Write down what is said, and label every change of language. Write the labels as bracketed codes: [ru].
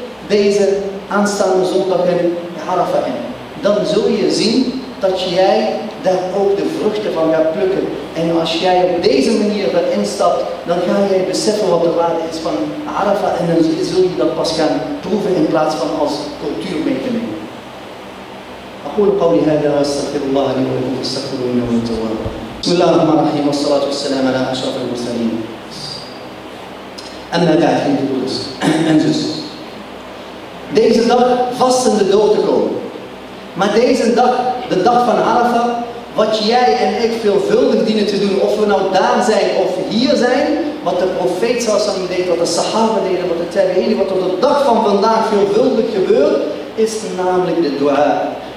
[nl] Deze aanstaande zondag in Arafa in. Dan zul je zien dat jij daar ook de vruchten van gaat plukken. En als jij op deze manier erin stapt, dan ga jij beseffen wat de waarde is van Arafa en dan zul je dat pas gaan proeven in plaats van als cultuur mee te nemen. [ar] أقول قولي هذا واستغفر الله لي ولكم فاستغفروه إنه هو التواب. بسم الله الرحمن الرحيم والصلاة والسلام على أشرف المرسلين. أما بعد في دروس أنزوس. [nl] Deze dag vastende door te komen. Maar deze dag, de dag van Arafa, wat jij en ik veelvuldig dienen te doen, of we nou daar zijn of hier zijn, wat de profeet sallallahu alaihi wasallam deed, wat de sahaba deden, wat de tabi'een, wat op de dag van vandaag veelvuldig gebeurt, is namelijk de dua.